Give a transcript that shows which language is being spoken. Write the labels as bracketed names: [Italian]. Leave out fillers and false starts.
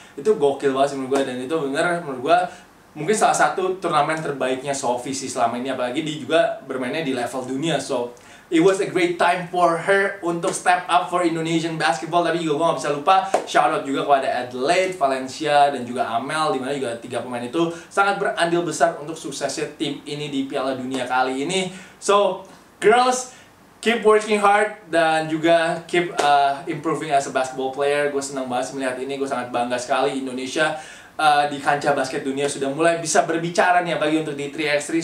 [Indonesian] Itu gokil banget sih menurut gue, dan itu bener menurut gue mungkin salah satu turnamen terbaiknya Sophie sih selama ini, apalagi dia juga bermainnya di level dunia. [English] So, it was a great time for her [Indonesian] untuk [English] step up for Indonesian basketball. [Indonesian] Tapi juga gue gak bisa lupa shout out juga kepada Adelaide, Valencia, dan juga Amel, dimana juga tiga pemain itu sangat berandil besar untuk suksesnya tim ini di Piala Dunia kali ini. [English] So, girls, keep working hard, [Indonesian] dan juga [English] keep improving as a basketball player. [Indonesian] Gue senang banget melihat ini, gue sangat bangga sekali Indonesia di kancah basket dunia sudah mulai bisa berbicara nih, apalagi untuk di 3x3.